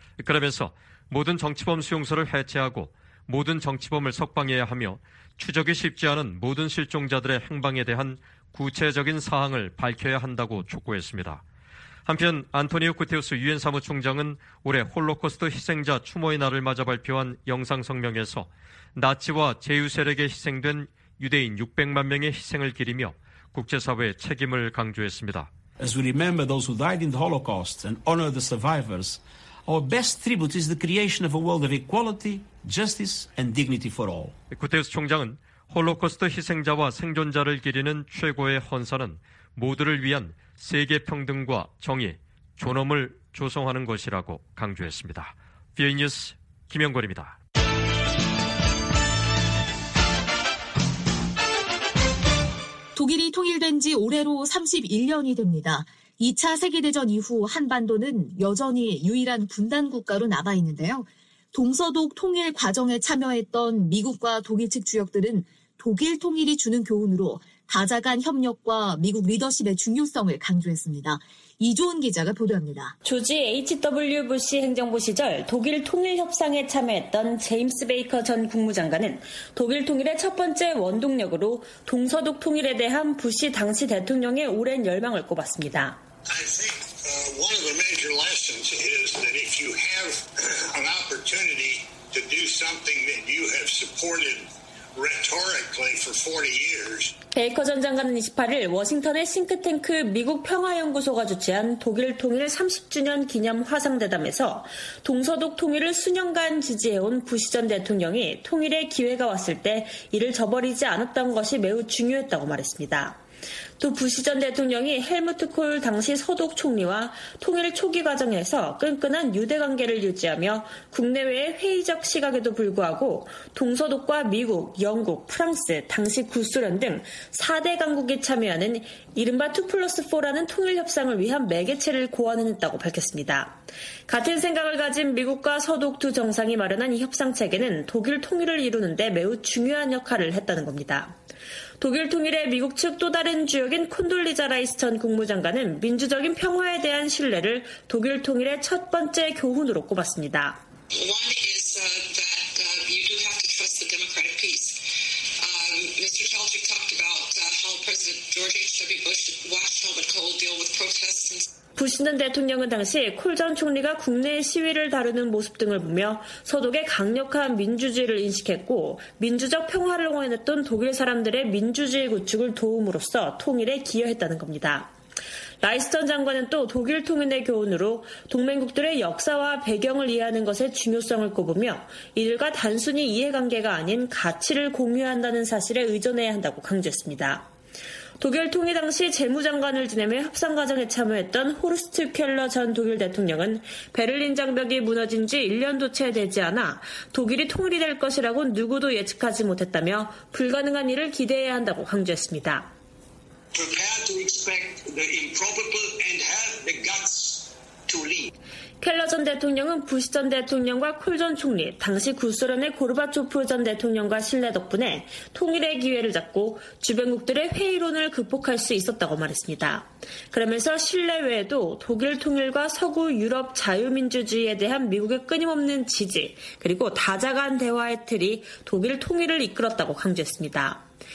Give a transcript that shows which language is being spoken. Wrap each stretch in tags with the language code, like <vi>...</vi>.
<ko>그러면서 모든 정치범 수용소를 해체하고 모든 정치범을 석방해야 하며 추적이 쉽지 않은 모든 실종자들의 행방에 대한 구체적인 사항을 밝혀야 한다고 촉구했습니다. 한편 안토니오 구테우스 유엔 사무총장은 올해 홀로코스트 희생자 추모의 날을 맞아 발표한 영상 성명에서 나치와 제휴 세력에 희생된 유대인 600만 명의 희생을 기리며 국제사회의 책임을 강조했습니다.</ko> <en>As we remember those who died in the Holocaust and honor the survivors, our best tribute is the creation of a world of equality, justice and dignity for all.</en> <ko>구테우스 총장은 홀로코스트 희생자와 생존자를 기리는 최고의 헌사는 모두를 위한 세계 평등과 정의, 존엄을 조성하는 것이라고 강조했습니다. VOA 뉴스 김영걸입니다. 독일이 통일된 지 올해로 31년이 됩니다. 2차 세계대전 이후 한반도는 여전히 유일한 분단 국가로 남아있는데요. 동서독 통일 과정에 참여했던 미국과 독일 측 주역들은 독일 통일이 주는 교훈으로 다자 간 협력과 미국 리더십의 중요성을 강조했습니다. 이조은 기자가 보도합니다. 조지 H.W. 부시 행정부 시절 독일 통일 협상에 참여했던 제임스 베이커 전 국무장관은 독일 통일의 첫 번째 원동력으로 동서독 통일에 대한 부시 당시 대통령의 오랜 열망을 꼽았습니다.</ko> <en>I think one of the major lessons is that if you have an opportunity to do something that you have supported rhetorically for 40 years,</en> <ko>베이커 전 장관은 28일 워싱턴의 싱크탱크 미국 평화연구소가 주최한 독일 통일 30주년 기념 화상대담에서 동서독 통일을 수년간 지지해온 부시 전 대통령이 통일의 기회가 왔을 때 이를 저버리지 않았던 것이 매우 중요했다고 말했습니다. 또 부시 전 대통령이 헬무트 콜 당시 서독 총리와 통일 초기 과정에서 끈끈한 유대관계를 유지하며 국내외의 회의적 시각에도 불구하고 동서독과 미국, 영국, 프랑스, 당시 구소련 등 4대 강국이 참여하는 이른바 2+4라는 통일 협상을 위한 매개체를 고안했다고 밝혔습니다. 같은 생각을 가진 미국과 서독 두 정상이 마련한 이 협상 체계는 독일 통일을 이루는데 매우 중요한 역할을 했다는 겁니다. 독일 통일의 미국 측 또 다른 주역인 콘돌리자 라이스 전 국무장관은 민주적인 평화에 대한 신뢰를 독일 통일의 첫 번째 교훈으로 꼽았습니다.</ko> <en>One is that you do have to trust the democratic peace. Mr. Talchik talked about how President George H.W. Bush watched Helmut Kohl deal with protests.</en> <ko>부시는 대통령은 당시 쿨 전 총리가 국내 시위를 다루는 모습 등을 보며 서독의 강력한 민주주의를 인식했고 민주적 평화를 원했던 독일 사람들의 민주주의 구축을 도움으로써 통일에 기여했다는 겁니다. 라이스턴 장관은 또 독일 통일의 교훈으로 동맹국들의 역사와 배경을 이해하는 것의 중요성을 꼽으며 이들과 단순히 이해관계가 아닌 가치를 공유한다는 사실에 의존해야 한다고 강조했습니다. 독일 통일 당시 재무장관을 지내며 협상 과정에 참여했던 호르스트 켈러 전 독일 대통령은 베를린 장벽이 무너진 지 1년도 채 되지 않아 독일이 통일이 될 것이라고는 누구도 예측하지 못했다며 불가능한 일을 기대해야 한다고 강조했습니다.</ko> <en>Prepare to expect the improbable and have the guts to lead.</en> <ko>켈러 전 대통령은 부시 전 대통령과 쿨 전 총리, 당시 구소련의 고르바초프 전 대통령과 신뢰 덕분에 통일의 기회를 잡고 주변국들의 회의론을 극복할 수 있었다고 말했습니다. 그러면서 신뢰 외에도 독일 통일과 서구 유럽 자유민주주의에 대한 미국의 끊임없는 지지, 그리고 다자간 대화의 틀이 독일 통일을 이끌었다고 강조했습니다.</ko>